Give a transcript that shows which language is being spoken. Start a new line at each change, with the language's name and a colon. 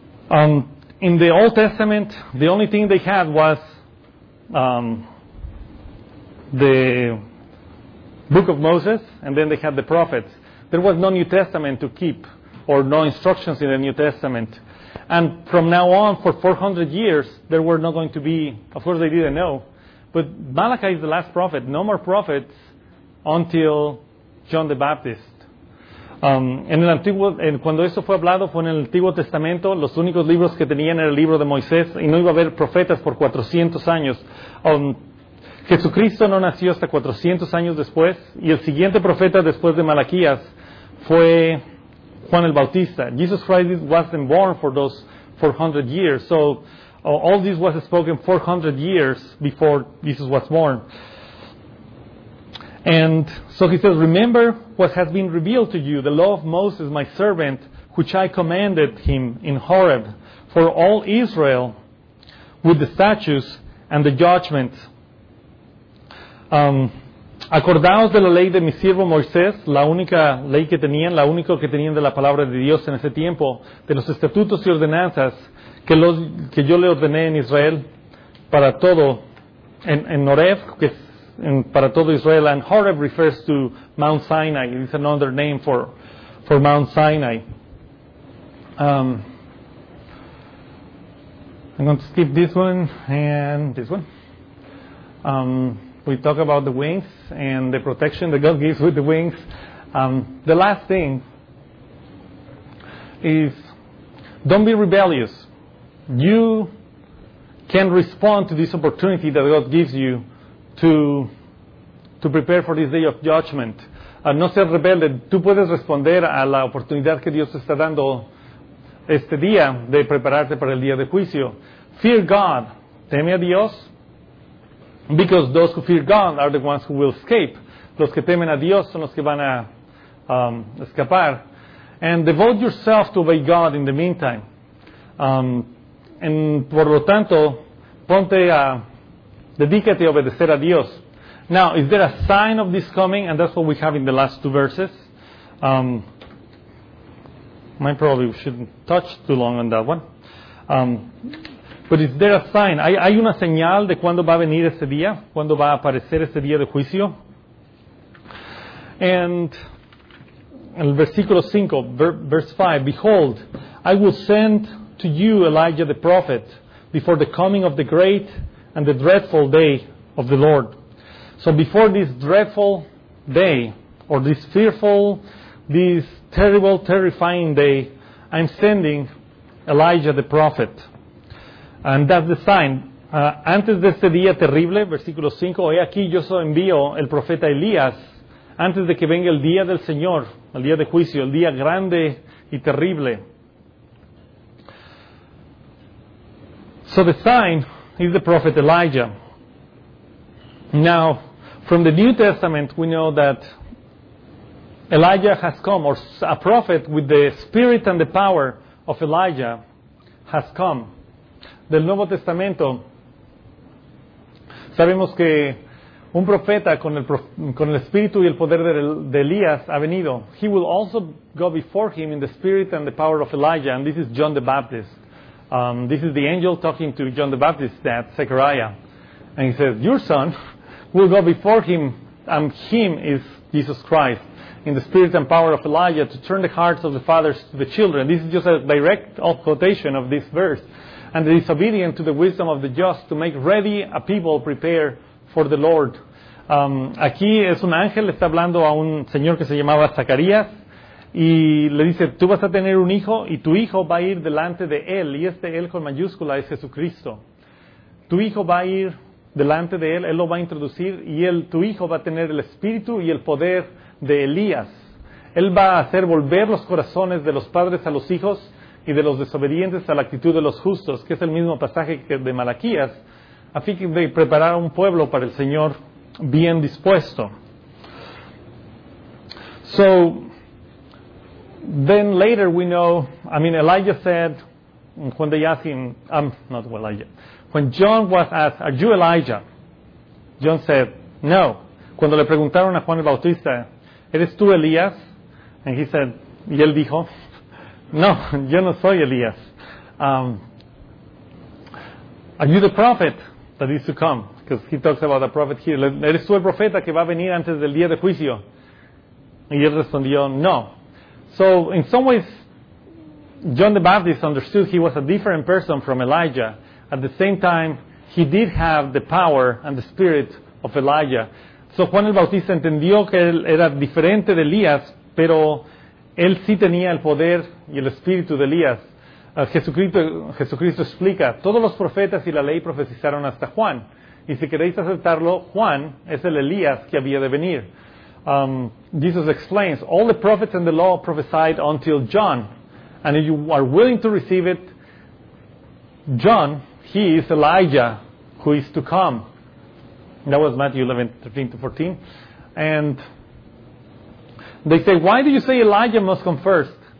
English: In the Old Testament, the only thing they had was the book of Moses, and then they had the prophets. There was no New Testament to keep, or no instructions in the New Testament. And from now on, for 400 years, there were not going to be, of course they didn't know, but Malachi is the last prophet. No more prophets until John the Baptist.
Spanish: Cuando eso fue hablado, fue en el Antiguo Testamento, los únicos libros que tenían era el libro de Moisés, y no iba a haber profetas por 400 años. Jesucristo no nació hasta 400 años después, y el siguiente profeta después de Malaquías fue Juan el Bautista.
English: Jesus Christ wasn't born for those 400 years. So all this was spoken 400 years before Jesus was born. And so he says, remember what has been revealed to you, the law of Moses, my servant, which I commanded him in Horeb for all Israel with the statutes and the judgment.
Spanish: Acordaos de la ley de mi siervo Moisés, la única ley que tenían, la única que tenían de la palabra de Dios en ese tiempo, de los estatutos y ordenanzas que yo le ordené en Israel para todo, en Horeb, que es para todo Israel.
English: And Horeb refers to Mount Sinai. It's another name for Mount Sinai. I'm going to skip this one and this one. We talk about the wings and the protection that God gives with the wings. The last thing is, don't be rebellious. You can respond to this opportunity that God gives you to prepare for this day of judgment.
Spanish: No seas rebelde. Tú puedes responder a la oportunidad que Dios te está dando este día de prepararte para el día de juicio.
English: fear God,
Spanish: teme a Dios,
English: because those who fear God are the ones who will escape.
Spanish: Los que temen a Dios son los que van a escapar.
English: And devote yourself to obey God in the meantime.
Spanish: Por lo tanto, ponte a, dedícate a obedecer a Dios.
English: Now, is there a sign of this coming? And that's what we have in the last two verses. I probably shouldn't touch too long on that one. But is there a sign?
Spanish: ¿Hay una señal de cuándo va a venir ese día? ¿Cuándo va a aparecer ese día de juicio?
English: And
Spanish: el versículo 5,
English: verse 5, behold, I will send to you Elijah the prophet before the coming of the great and the dreadful day of the Lord. So before this dreadful day, or this fearful, this terrible, terrifying day, I'm sending Elijah the prophet. And that's the sign.
Spanish: Antes de este día terrible, versículo 5, he aquí yo soy envío el profeta Elías, antes de que venga el día del Señor, el día de juicio, el día grande y terrible.
English: So the sign is the prophet Elijah. Now, from the New Testament, we know that Elijah has come, or a prophet with the spirit and the power of Elijah has come.
Spanish: Del Nuevo Testamento, sabemos que un profeta con el espíritu y el poder de Elías ha venido.
English: He will also go before him in the spirit and the power of Elijah, and this is John the Baptist. This is the angel talking to John the Baptist, that Zechariah. And he says, your son will go before him, and him is Jesus Christ, in the spirit and power of Elijah to turn the hearts of the fathers to the children. This is just a direct quotation of this verse. And the disobedient to the wisdom of the just, to make ready a people prepared for the Lord.
Spanish: Aquí es un ángel, está hablando a un señor que se llamaba Zacarías, y le dice, tú vas a tener un hijo y tu hijo va a ir delante de él, y este él con mayúscula es Jesucristo. Tu hijo va a ir delante de él, él lo va a introducir, y él, tu hijo va a tener el espíritu y el poder de Elías. Él va a hacer volver los corazones de los padres a los hijos y de los desobedientes a la actitud de los justos, que es el mismo pasaje que de Malaquías, a fin de preparar un pueblo para el Señor bien dispuesto.
English: So then later we know, Elijah said, when they asked him, I'm not Elijah, when John was asked, are you Elijah? John said, no.
Spanish: Cuando le preguntaron a Juan el Bautista, ¿eres tú Elías?
English: And he said,
Spanish: y él dijo, no, yo no soy Elías.
English: Are you the prophet that is to come? Because he talks about the prophet here.
Spanish: ¿Eres tú el profeta que va a venir antes del día de juicio? Y él respondió, no.
English: So, in some ways, John the Baptist understood he was a different person from Elijah. At the same time, he did have the power and the spirit of Elijah.
Spanish: So, Juan el Bautista entendió que él era diferente de Elías, pero él sí tenía el poder y el espíritu de Elías. Jesucristo explica, todos los profetas y la ley profetizaron hasta Juan. Y si queréis aceptarlo, Juan es el Elías que había de venir.
English: Jesus explains, all the prophets and the law prophesied until John, and if you are willing to receive it, John, he is Elijah who is to come. That was Matthew 11:13-14. And they say, why do you say Elijah must come first?